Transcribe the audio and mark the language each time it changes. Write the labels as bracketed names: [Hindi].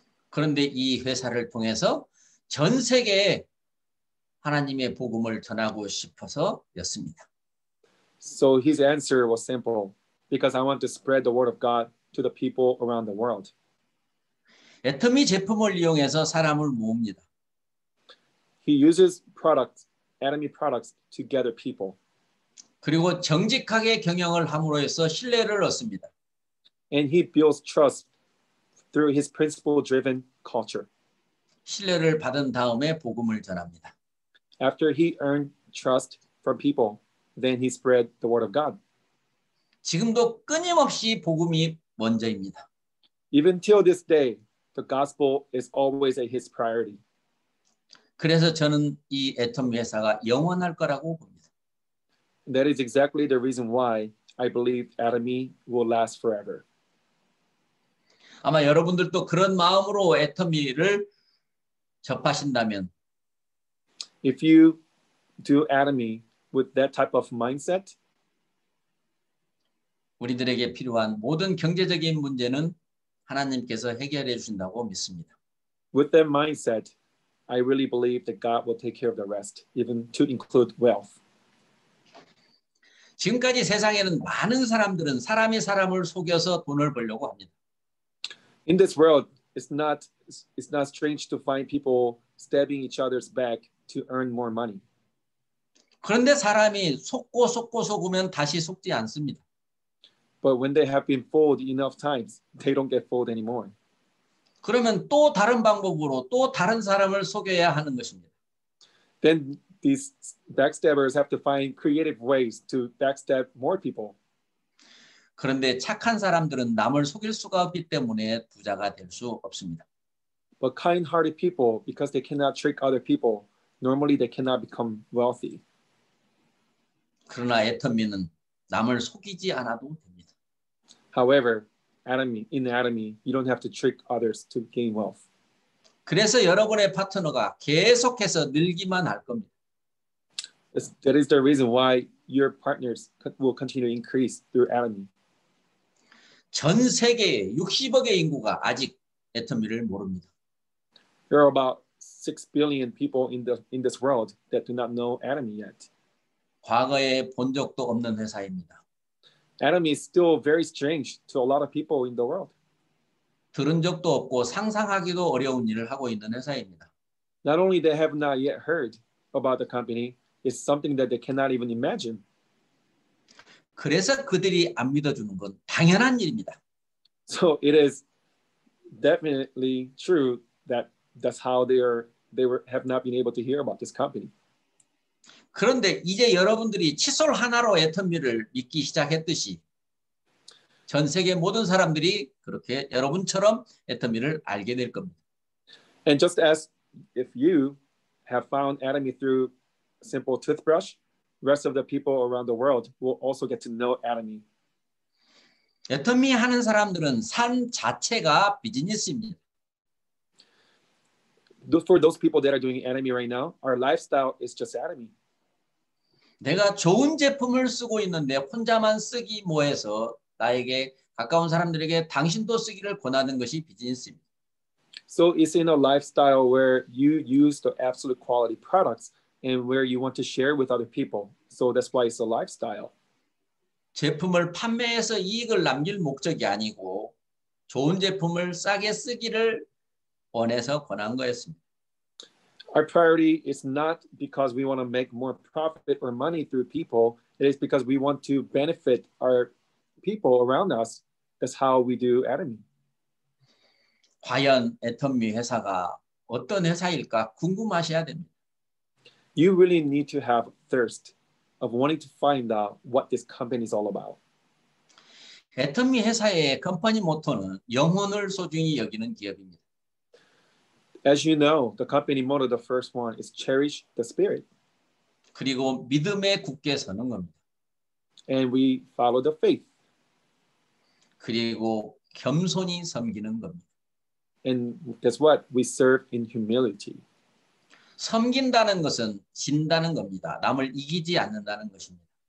[Korean] 그런데 이 회사를 통해서 전 세계에 하나님의 복음을 전하고 싶어서였습니다. [English] So his answer was simple, because I want to spread the word of God to the people around the world. [Korean] 애터미 제품을 이용해서 사람을 모읍니다. [English] He uses products, Atomy products, to gather people. [Korean] 그리고 정직하게 경영을 함으로 해서 신뢰를 얻습니다. [English] And he builds trust through his principle-driven culture. [Korean] 신뢰를 받은 다음에 복음을 전합니다. [English] After he earned trust from people, then he spread the word of God. [Korean] 지금도 끊임없이 복음이 먼저입니다. [English] Even till this day, the gospel is always at his priority. [Korean] 그래서 저는 이 애텀 회사가 영원할 거라고 봅니다. [English] That is exactly the reason why I believe Atomy will last forever. [Korean] 아마 여러분들도 그런 마음으로 애텀이를 접하신다면 [English] If you do Atomy with that type of mindset, [Korean] 우리들에게 필요한 모든 경제적인 문제는 하나님께서 해결해 주신다고 믿습니다. [English] With that mindset, I really believe that God will take care of the rest, even to include wealth. [Korean] 지금까지 세상에는 많은 사람들은 사람이 사람을 속여서 돈을 벌려고 합니다. [English] In this world, it's not strange to find people stabbing each other's back to earn more money. [Korean] 그런데 사람이 속고 속으면 다시 속지 않습니다. [English] But when they have been fooled enough times, they don't get fooled anymore. [Korean] 그러면 또 다른 방법으로 또 다른 사람을 속여야 하는 것입니다. [English] Then these backstabbers have to find creative ways to backstab more people. [Korean] 그런데 착한 사람들은 남을 속일 수가 없기 때문에 부자가 될 수 없습니다. [English] But kind-hearted people, because they cannot trick other people, normally they cannot become wealthy. [Korean] 그러나 애터미는 남을 속이지 않아도 됩니다. [English] However, Atomy, in Atomy, you don't have to trick others to gain wealth. [Korean] 그래서 여러분의 파트너가 계속해서 늘기만 할 겁니다. [English] That is the reason why your partners will continue to increase through Atomy. [Korean] 전 세계 60억의 인구가 아직 애터미를 모릅니다. [English] There are about 6 billion people in this world that do not know Atomy yet. [Korean] 과거에 본 적도 없는 회사입니다. [English] Atomy is still very strange to a lot of people in the world. [Korean] 들은 적도 없고 상상하기도 어려운 일을 하고 있는 회사입니다. [English] Not only they have not yet heard about the company, it's something that they cannot even imagine. [Korean] 그래서 그들이 안 믿어주는 건 당연한 일입니다. [English] So it is definitely true that that's how they have not been able to hear about this company. [Korean] 그런데 이제 여러분들이 칫솔 하나로 애터미를 믿기 시작했듯이 전 세계 모든 사람들이 그렇게 여러분처럼 애터미를 알게 될 겁니다. [English] And just as if you have found Atomy through simple toothbrush, rest of the people around the world will also get to know Atomy. [Korean] 애터미 하는 사람들은 삶 자체가 비즈니스입니다. [English] For those people that are doing Atomy right now, our lifestyle is just Atomy. [Korean] 내가 좋은 제품을 쓰고 있는데 혼자만 쓰기 뭐해서 나에게 가까운 사람들에게 당신도 쓰기를 권하는 것이 비즈니스입니다. [English] So it's in a lifestyle where you use the absolute quality products and where you want to share with other people. So that's why it's a lifestyle. [Korean] 제품을 판매해서 이익을 남길 목적이 아니고 좋은 제품을 싸게 쓰기를 원해서 권한 거였습니다. [English] Our priority is not because we want to make more profit or money through people. It is because we want to benefit our people around us. That's how we do Atomy. [Korean] 과연 애터미 회사가 어떤 회사일까 궁금하셔야 됩니다. [English] You really need to have thirst of wanting to find out what this company is all about. [Korean] 애터미 회사의 컴퍼니 모토는 영혼을 소중히 여기는 기업입니다. [English] As you know, the company motto, the first one, is cherish the spirit. [Korean] 그리고 믿음에 굳게 서는 겁니다. [English] And we follow the faith. [Korean] 그리고 겸손히 섬기는 겁니다. [English] And guess what? We serve in humility. [Korean] 섬긴다는 것은 진다는 겁니다. 남을 이기지 않는다는 것입니다.